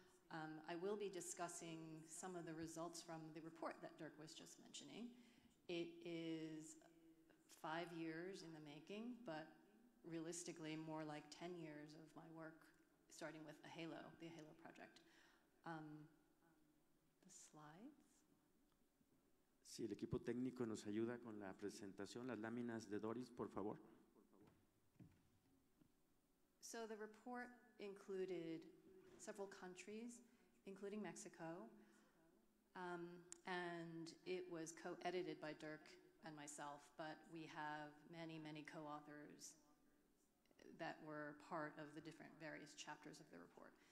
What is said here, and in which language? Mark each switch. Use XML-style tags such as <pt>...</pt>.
<en>I will be discussing some of the results from the report that Dirk was just mentioning. It is 5 years in the making, but realistically more like 10 years of my work, starting with AHALO, the AHALO project. The slides.</en> <es>Si el equipo técnico nos ayuda con la presentación, las láminas de Doris, por favor.</es> <en>So the report included several countries, including Mexico, and it was co-edited by Dirk and myself, but we have many, many co-authors that were part of the different various chapters of the report.</en>